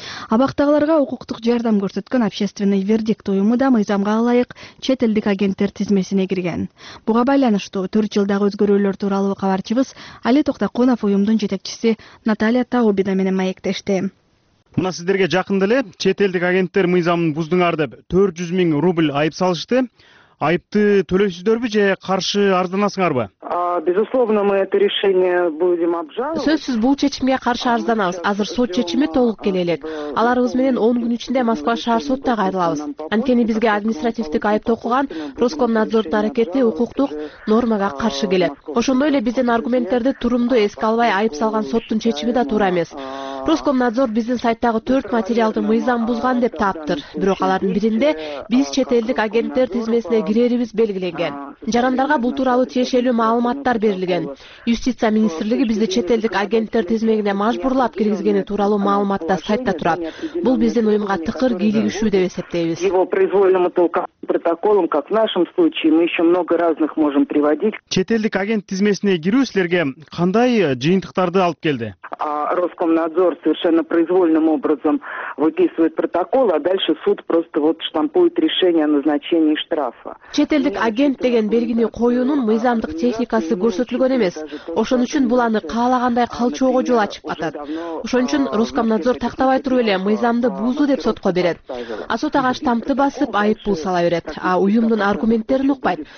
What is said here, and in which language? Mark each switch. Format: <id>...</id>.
<ky>Абактагыларга укуктук жардам көрсөткөн общественный вердикт уюму да мыйзамга ылайык чет элдик агенттер тизмесине кирген. Буга байланыштуу 4 жылдагы өзгөрүүлөр тууралуу кабарчыбыз Али Токтоконов уюмдун жетекчиси Наталья Таубина менен маектешти. Мына сиздерге жакын деле чет элдик агенттер мыйзамын буздуңар деп 400 000 рубль айып салышты. Айыпты төлөйсүздөрбү же каршы арызданасыңарбы?</ky> <ru>Безусловно, мы это решение будем обжаловать.</ru> <ky>Сөзсүз бул чечимге каршы арызданабыз. Азыр сот чечими толук келе элек. Аларыбыз менен 10 күн ичинде Москва шаар сотуна кайрылабыз. Анткени бизге административдик айып токулган Роскомнадзордун аракети укуктук нормага каршы келет. Ошондой эле биздин аргументтерди турумдуу эске албай айып салган соттун чечими да туура эмес. Роскомнадзор биздин сайттагы 4 материалды мыйзам бузган деп таптыр. Бирок алардын биринде биз чет элдик агенттер тизмесине кирерибиз белгиленген. Жарандарга бул тууралуу тиешелүү маалыматтар берилген. Юстиция министрлиги бизди чет элдик агенттер тизмегине мажбурлап киргизгени тууралуу маалымат да сайтта турат. Бул биздин уюмга тыкыр кийлигишүү деп эсептейбиз.</ky> <ru>Его произвольному толкам протоколом, как в нашем случае, мы еще много разных можем приводить.</ru> <ky>Чет элдик агент тизмесине кирүү силерге кандай жыйынтыктарды алып келди?</ky> <ru>Роскомнадзор совершенно произвольным образом выписывает протокол, а дальше суд просто вот штампует решение о назначении штрафа.</ru> <ky>Чет элдик агент деген белгини коюунун мыйзамдык техникасы көрсөтүлгөн эмес. Ошон үчүн бул аны каалагандай калчоого жол ачып атат. Ошон үчүн Роскомнадзор тактабай туруп эле мыйзамды бузду деп сотко берет. А сот ага штампты басып айып пул сала берет. А уюмдун аргументтерин укпайт.</ky>